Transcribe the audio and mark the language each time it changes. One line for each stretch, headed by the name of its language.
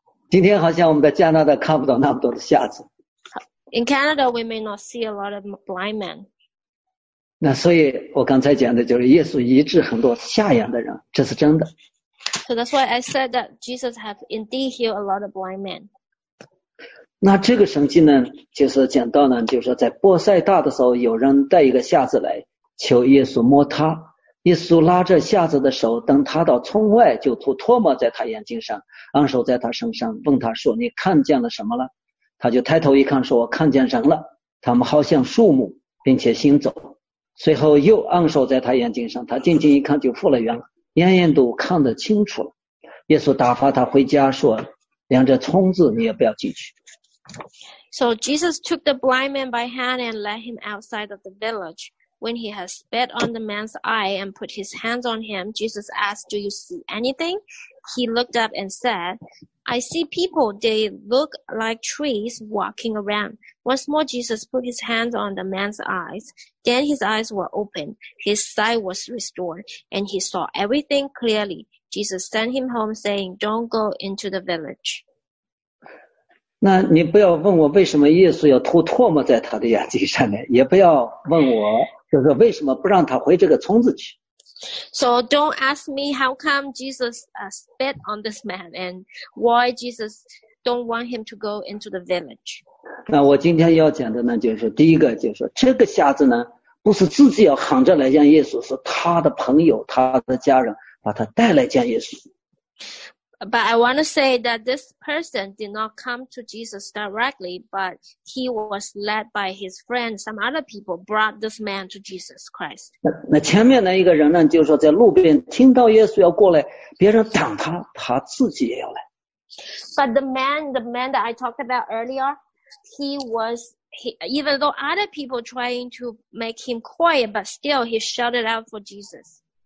Chinese: 今天好像我们在加拿大看不到那么多的瞎子。
English: In Canada, we may not see a lot of blind men.
Chinese: 那所以我刚才讲的就是耶稣医治很多瞎眼的人，这是真的。
English: So that's why I said that Jesus have indeed healed a lot of blind men.
Chinese: 那这个神迹呢，就是讲到呢，就是说在波塞大的时候，有人带一个瞎子来求耶稣摸他，耶稣拉着瞎子的手，等他到村外，就吐唾沫在他眼睛上，按手在他身上，问他说：“你看见了什么了？” 他就抬头一看，说：“我看见人了，他们好像树木，并且行走。” 随后又按手在他眼睛上，他定睛一看就复了原了，眼眼都看得清楚了。耶稣打发他回家说：“连这虫子你也不要进去。”
English: So Jesus took the blind man by hand and led him outside of the village. When he had spit on the man's eye and put his hands on him, Jesus asked, Do you see anything? He looked up and said, I see people, they look like trees walking around. Once more, Jesus put his hands on the man's eyes. Then his eyes were opened, his sight was restored, and he saw everything clearly. Jesus sent him home saying, Don't go into the village.
Chinese: 那你不要问我为什么耶稣要吐唾沫在他的眼睛上面，也不要问我就是为什么不让他回这个村子去。
English: So don't ask me how come Jesus spit on this man and why Jesus don't want him to go into the village.
Chinese: 那我今天要讲的呢，就是第一个，就是这个瞎子呢，不是自己要喊着来见耶稣，是他的朋友、他的家人把他带来见耶稣。
English: But I want to say that this person did not come to Jesus directly, but he was led by his friend. Some other people brought this man to Jesus Christ.
Chinese: 那前面那一个人呢，就是说在路边听到耶稣要过来，别人挡他，他自己也要来。
English: But the man that I talked about earlier, even though other people trying to make him quiet, but still he shouted out for Jesus.